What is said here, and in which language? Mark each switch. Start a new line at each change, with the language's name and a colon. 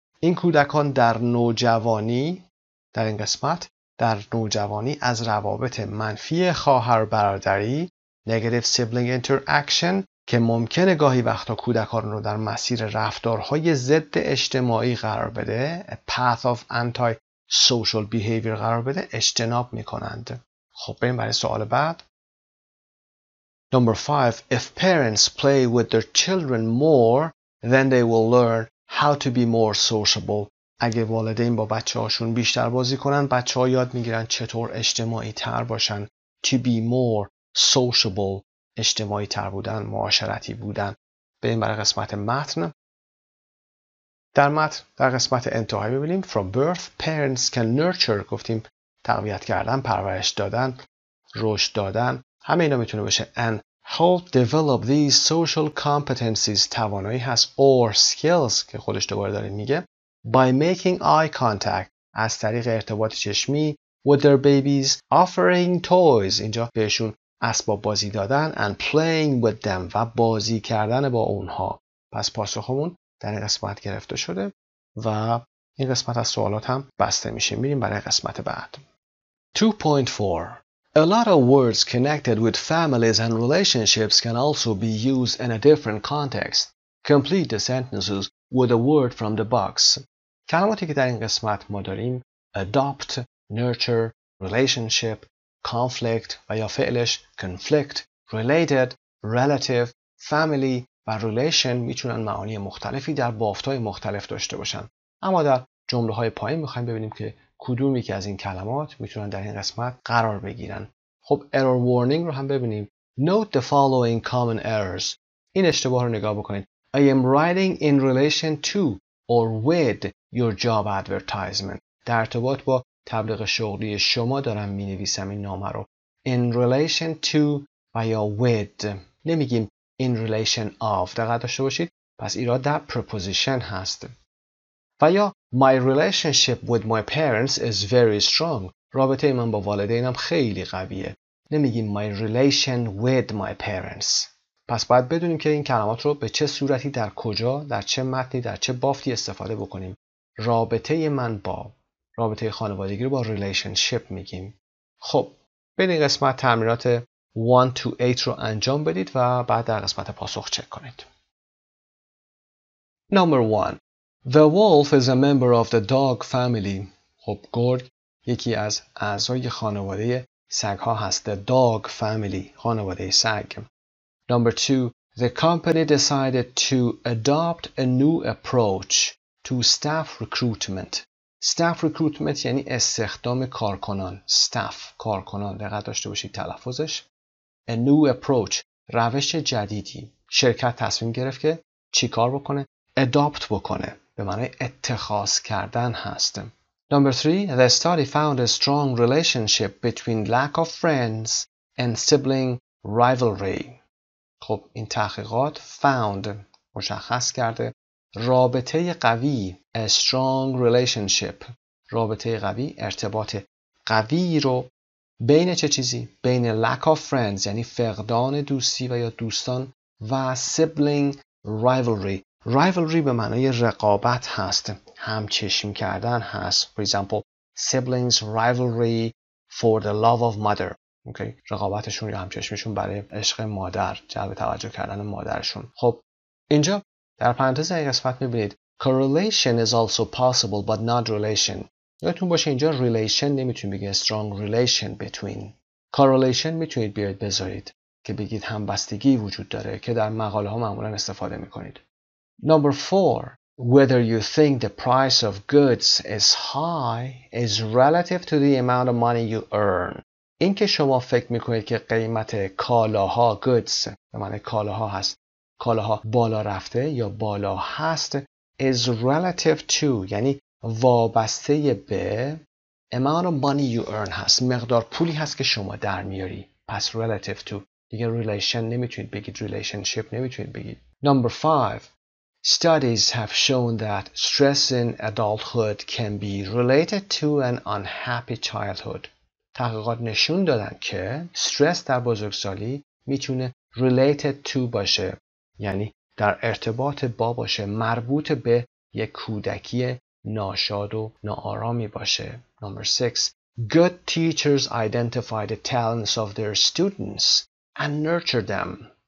Persian: این کودکان در نوجوانی در این قسمت در نوجوانی از روابط منفی خواهر برادری
English: negative sibling interaction
Persian: که ممکنه گاهی وقتا کودکان رو در مسیر رفتارهای ضد اجتماعی قرار بده
English: a path of anti-social behavior
Persian: قرار بده اجتناب میکنند. خب بریم برای سوال بعد.
English: Number 5. If parents play with their children more, then they will learn how to be more sociable.
Persian: اگه والدین با بچه هاشون بیشتر بازی کنن بچه ها یاد میگیرن چطور اجتماعی تر باشن.
English: To be more sociable
Persian: اجتماعی تر بودن، معاشرتی بودن. به این برای قسمت متن. در متن در قسمت انتهایی ببینیم
English: From birth parents can nurture
Persian: گفتیم تقویت کردن، پرورش دادن، رشد دادن همه اینا میتونه باشه
English: And help develop these social competencies
Persian: توانایی هست
English: or skills
Persian: که خودش دوباره داره میگه
English: By making eye contact
Persian: از طریق ارتباط چشمی
English: with their babies offering toys
Persian: اینجا بهشون اسباب بازی دادن
English: and playing with them
Persian: و بازی کردن با اونها. پس پاسخمون در این قسمت گرفته شده و این قسمت از سوالات هم بسته میشه. میریم برای قسمت بعد.
English: 2.4 A lot of words connected with families and relationships can also be used in a different context. Complete the sentences with a word from the box.
Persian: کلماتی که در این قسمت ما داریم adopt, nurture, relationship, conflict و یا فعلش conflict, related, relative, family و relation میتونن معانی مختلفی در بافتای مختلف داشته باشن. اما در جمله های پایین میخواییم ببینیم که کدومی که از این کلمات میتونن در این قسمت قرار بگیرن. خب error warning رو هم ببینیم.
English: Note the following common errors.
Persian: این اشتباه رو نگاه بکنید.
English: I am writing in relation to or with your job advertisement.
Persian: در ارتباط با تبلیغ شغلی شما دارم می نویسم این نامه رو.
English: In relation to
Persian: و یا
English: with.
Persian: نمیگیم
English: in relation of.
Persian: دقت داشته باشید. پس ایراد در preposition هست. و یا
English: My relationship with my parents is very strong.
Persian: رابطه من با والدینم خیلی قویه. نمیگیم
English: My relation with my parents.
Persian: پس باید بدونیم که این کلمات رو به چه صورتی در کجا در چه متنی در چه بافتی استفاده بکنیم. رابطه من با رابطه خانوادگی رو با relationship میگیم. خب به این قسمت تمرینات 1 to 8 رو انجام بدید و بعد در قسمت پاسخ چک کنید.
English: Number 1 The wolf is a member of the dog family.
Persian: خب گرگ یکی از اعضای خانواده سگ ها هست.
English: The dog family
Persian: خانواده سگ.
English: Number 2 The company decided to adopt a new approach to staff recruitment. Staff recruitment
Persian: یعنی استخدام کارکنان. Staff کارکنان دقت داشته باشید تلفظش.
English: A new approach
Persian: روش جدیدی. شرکت تصمیم گرفت که چی کار بکنه؟ Adopt بکنه به معنی اتخاذ کردن هست.
English: Number 3 The study found a strong relationship between lack of friends and sibling rivalry.
Persian: خب این تحقیقات found مشخص کرده رابطه قوی
English: a strong relationship
Persian: رابطه قوی ارتباط قوی رو بین چه چیزی؟ بین
English: lack of friends
Persian: یعنی فقدان دوستی و یا دوستان و sibling rivalry rivalry به معنای رقابت هست همچشم کردن هست
English: for example siblings rivalry for the love of mother okay.
Persian: رقابتشون یا همچشمشون برای عشق مادر جلب توجه کردن مادرشون خب اینجا در پرانتز این قسمت میبینید
English: correlation is also possible but not relation
Persian: یادتون باشه اینجا relation نمیتونید بگید
English: strong relation between
Persian: correlation میتونید بیارید بذارید که بگید همبستگی وجود داره که در مقاله ها معمولا استفاده میکنید.
English: Number 4. Whether you think the price of goods is high is relative to the amount of money you earn.
Persian: این که شما فکر میکنید که قیمت کالاها goods به معنی کالاها هست کالاها بالا رفته یا بالا هست
English: is relative to
Persian: یعنی وابسته به
English: amount of money you earn
Persian: هست مقدار پولی هست که شما در میاری پس relative to دیگه relation نمیتونید بگید relationship نمیتونید بگید
English: Number 5 Studies have shown that stress in adulthood can be related to an unhappy childhood.
Persian: تحقیقات نشون دادن که استرس در بزرگسالی میتونه
English: related to
Persian: باشه یعنی در ارتباط با باشه مربوط به یک کودکی ناشاد و ناآرامی باشه.
English: Number 6. Good teachers identify the talents of their students and nurture them.